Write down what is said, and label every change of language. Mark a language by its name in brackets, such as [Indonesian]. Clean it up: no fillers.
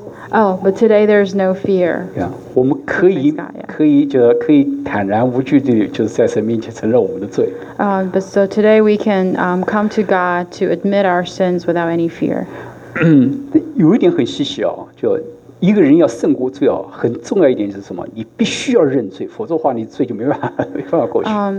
[English] Oh, but today there's no fear. [Chinese] Yeah, 我们可以 God,、yeah. 可以坦然无惧地就是在神面前承认我们的罪。 [English] But so today we can come to God to admit our sins without any fear. [Chinese] 有一点很稀奇哦，就一个人要胜过罪哦，很重要一点就是什么？你必须要认罪，否则的话你罪就没办法过去。